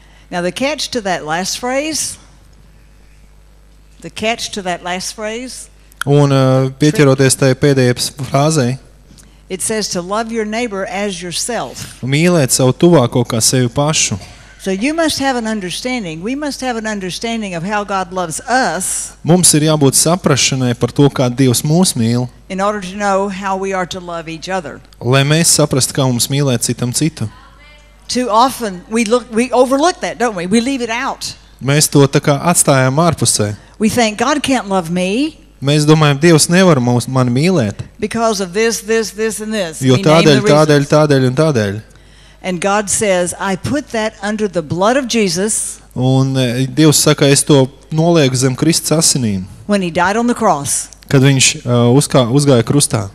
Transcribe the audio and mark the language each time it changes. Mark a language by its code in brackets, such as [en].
[en] Now the catch to that last phrase. The catch to that last phrase. [lv] Un pieķeroties tai pēdējai frāzei. [en] It says to love your neighbor as yourself. [lv] Mīlēt savu tuvāko kā sevi pašu. [en] So you must have an understanding. We must have an understanding of how God loves us. [lv] Mums ir jābūt saprašanai par to, kā Dievs mūs mīl. [en] In order to know how we are to love each other. [lv] Lai mēs saprastu, kā mums mīlēt citam citu. [en] Too often we overlook that, don't we? We leave it out. [lv] Mēs to tā kā atstājam ārpusē. [en] We think God can't love me. [lv] Mēs domājam, Dievs nevar mani mīlēt. [en] Because of this, this, this and this. [lv] Jo tādēļ un tādēļ. [en] And God says, I put that under the blood of Jesus. [lv] Un Dievs saka, es to nolieku zem Kristus asinīm. [en] When he died on the cross. [lv] Kad viņš uzgāja krustā.